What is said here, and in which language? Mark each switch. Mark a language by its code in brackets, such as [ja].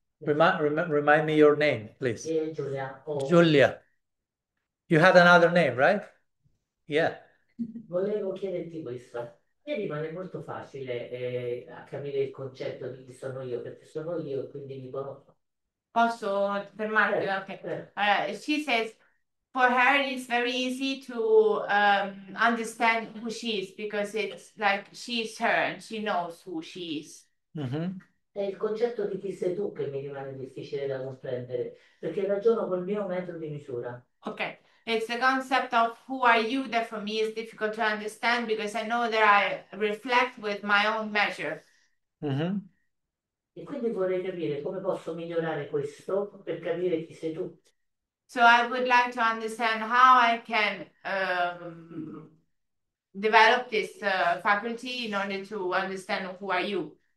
[en] Remind me your name, please. [it] Giulia. [en] Giulia. You had another name, right? Yeah. [it] Volevo chiederti questo. Mi rimane molto facile a capire il concetto di chi sono io, perché sono io, quindi mi conosco. Posso fermarti? Ok. [en] She says, for her it's very easy to understand who she is, because it's like she's her and she knows who she is. [it] È il concetto di chi sei tu che mi rimane difficile da comprendere, perché ragiono col mio metro di misura. [en] Ok. It's the concept of who are you that for me is difficult to understand because I know that I reflect with my own measure. [it] E quindi vorrei capire come posso migliorare questo per capire chi sei tu. [en] So I would like to understand how I can develop this faculty in order to understand who are you.